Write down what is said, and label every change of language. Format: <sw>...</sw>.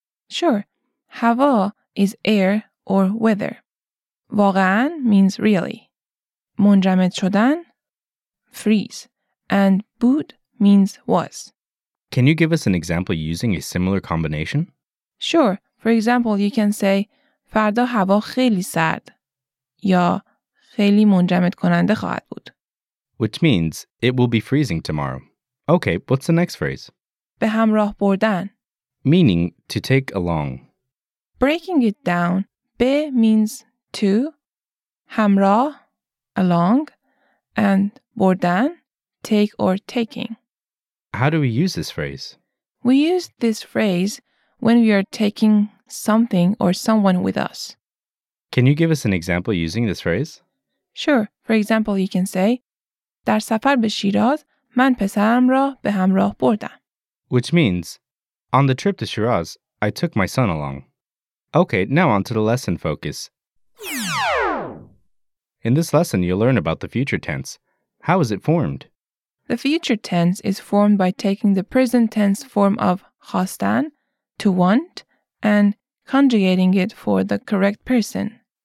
<en>Sure. هوا is air or weather. واقعاً means really. منجمد شدن, freeze. And بود means was. Can you give us an example using a similar combination? Sure. For example, you can say</en> <fa>فردا هوا خیلی سرد یا خیلی منجمد کننده خواهد بود.</fa> <en>Which means it will be freezing tomorrow. Okay, what's the next phrase?</en> <fa>به همراه بردن.</fa> <en>Meaning to take along. Breaking it down, به means to, همراه, along, and بردن, take or taking. How do we use this phrase? We use this phrase when we are taking something or someone with us. Can you give us an example using this phrase? Sure. For example, you can say,</en> <fa>در سفر به شیراز من پسرم را به همراه بردم.</fa> <en>Which means, on the trip to Shiraz, I took my son along. Okay, now on to the lesson focus. In this lesson, you'll learn about the future tense. How is it formed? The future tense is formed by taking the present tense form of خواستن, to want, and conjugating it for the correct person.</en>